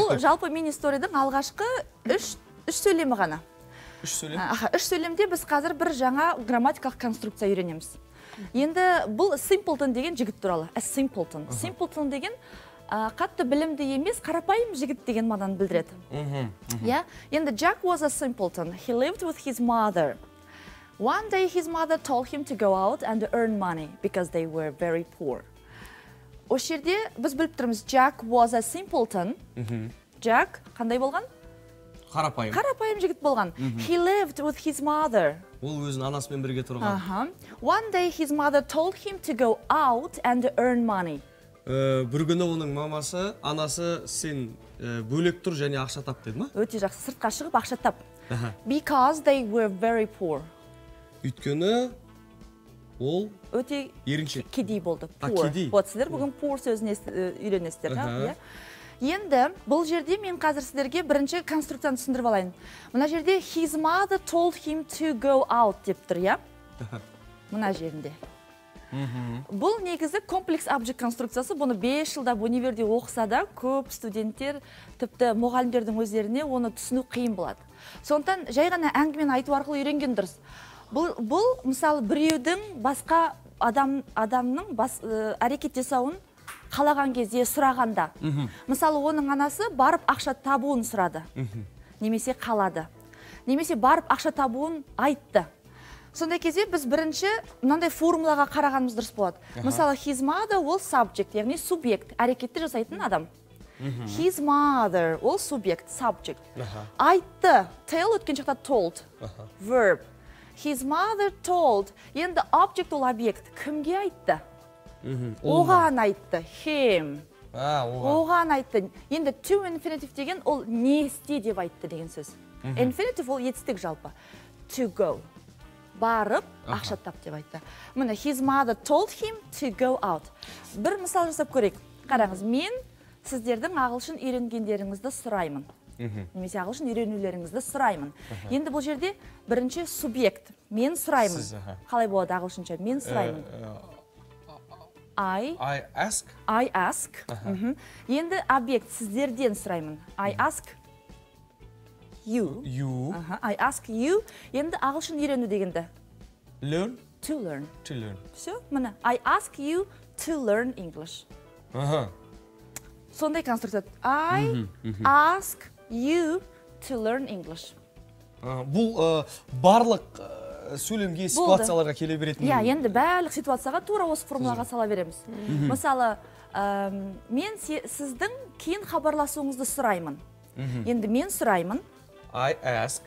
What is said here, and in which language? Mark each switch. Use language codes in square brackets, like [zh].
[kk] Бұл жалпы мини-сторидің алғашқы үш сөйлемі ғана. Үш сөйлем? Үш сөйлемде біз қазір бір жаңа грамматикалық конструкция үйренеміз. Енді бұл simpleton деген жігіт туралы. [en] A simpleton. [kk] Simpleton деген қатты білімді емес, қарапайым жігіт деген мағынаны білдіреді. [en] Енді Jack was a simpleton. He lived with his mother. One day his mother told him to go out and earn money because they were very poor. [kk] Осы жерде біз біліп тұрмыз, [en] Jack was a simpleton. [kk] Jack қандай болған? Қарапайым. Қарапайым жігіт болған. [en] He lived with his mother. [kk] Ол өзінің анасымен бірге тұрған. [en] One day his mother told him to go out and earn money. [kk] Бір күні оның мамасы, анасы, сен бөлек тұр және ақша тап деді ма? Өте жақсы, сыртқа шығып ақша тап. Because they were very poor. Өйткені ол өте еріншек. Кедей болды. Poor. Кедей. Сіздер бүгін poor сөзін үйренесіздер. Енді бұл жерде мен қазір сіздерге бірінші конструкцияны түсіндіріп алайын. Мына жерде [en] his mother told him to go out [kk] деп тұр, иә? Мына жерінде. Бұл негізі комплекс объект конструкциясы, бұны 5 жылда универде оқыса да көп студенттер, тіпті мұғалімдердің өздеріне оны түсіну қиын болады. Сондықтан жай ғана әңгімен айту арқылы үйренген дұрыс. Бұл мысалы біреудің басқа адамның әрекеттесуін қалаған кезде сұрағанда. Мысалы оның анасы барып ақша табуын сұрады. Немесе қалады. Немесе барып ақша табуын айтты. Сондай кезде біз бірінші мынандай формулаға қарағанымыз дұрыс болады. Мысалы his mother ол subject, яғни субъект, әрекетті жасайтын адам. His mother ол субъект, subject. Айтты, tell өткен шақта told, verb. [en] His mother told, [kk] енді object ол объект, кімге айтты? Оған айтты, him. Оған айтты. Енді to infinitive деген ол не істе деп айтты деген сөз. Infinitive ол етістік жалпы. To go. Барып, ақша тап деп айтты. [en] Мұны his mother told him to go out. [kk] Бір мысал жасап көрек. Қараңыз, мен сіздердің ағылшын үйренгендеріңізді сұраймын. Немесе ағылшын үйренулеріңізді сұраймын. Енді бұл жерде бірінші субъект. Мен сұраймын. Қалай болады ағылшынша? Мен сұраймын. [en] I ask. [kk] Енді объект сіздерден сұраймын. [en] I ask you. You. I ask you. [kk] Енді ағылшын үйрену дегенді? [en] Learn. To learn. To learn. [kk] Все, мұны. [en] I ask you to learn English. [kk] Сондай конструкция. [en] I ask you to learn English. [kk] Бұл барлық сөйлемге ситуацияларға келе беретін. Иә, енді барлық ситуацияға тура осы формулаға сала береміз. Мысалы, мен сіздің кейін хабарласуыңызды сұраймын. Енді мен сұраймын. [en] I ask.